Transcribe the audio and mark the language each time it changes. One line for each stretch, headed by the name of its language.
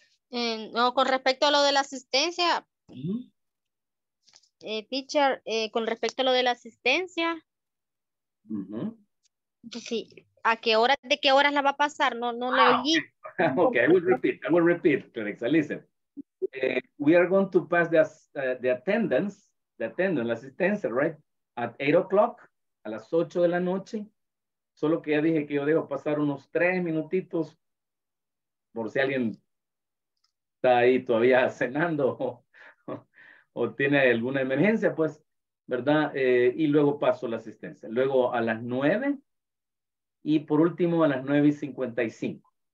Spanish: No, con respecto a lo de la asistencia. Uh-huh. Teacher, con respecto a lo de la asistencia. Uh-huh. Sí. ¿A qué hora, de qué horas la va a pasar? No le oí.
English: Okay, I will repeat, Clarissa, listen. We are going to pass the attendance,
Spanish: la asistencia,
English: right? At 8 o'clock,
Spanish: a las 8 de la noche. Solo que ya dije que yo debo pasar unos 3 minutitos por si alguien está ahí todavía cenando o tiene alguna emergencia, pues, ¿verdad? Y luego paso la asistencia. Luego a las 9 y por último a las 9:55.